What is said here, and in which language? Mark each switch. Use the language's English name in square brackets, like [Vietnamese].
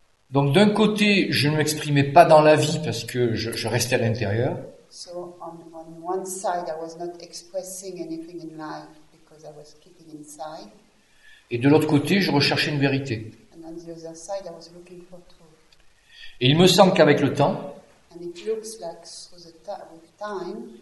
[French] Donc d'un côté, je ne m'exprimais pas dans la vie parce que je restais à l'intérieur. [English] So on one side I was not expressing anything in life because I was keeping inside. [French] Et de l'autre côté, je recherchais une vérité. [English] And on the other side I was looking for truth. [French] Et il me semble qu'avec le temps, [English] and it looks like through the with time,